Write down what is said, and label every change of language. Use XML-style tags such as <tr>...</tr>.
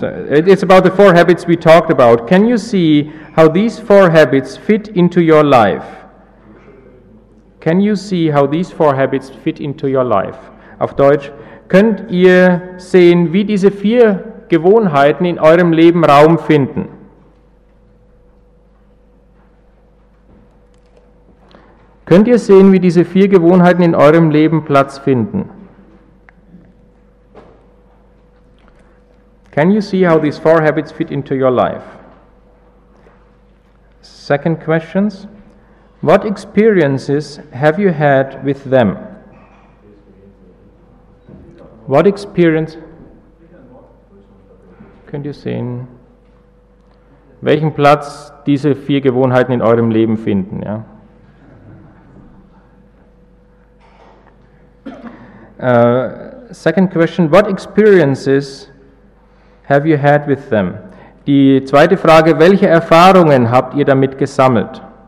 <en>It's about the four habits we talked about. Can you see how these four habits fit into your life? Can you see how these four habits fit into your life?</en> <de>Auf Deutsch, könnt ihr sehen, wie diese vier Gewohnheiten in eurem Leben Raum finden? Könnt ihr sehen, wie diese vier Gewohnheiten in eurem Leben Platz finden?</de> <en>Can you see how these four habits fit into your life? Second question, what experiences have you had with them? What experience?</en> <de>Könnt ihr sehen, welchen Platz diese vier Gewohnheiten in eurem Leben finden? Ja?</de> <en>Second question, what experiences have you had with them?</en> <de>Die zweite Frage, welche Erfahrungen habt ihr damit gesammelt?</de>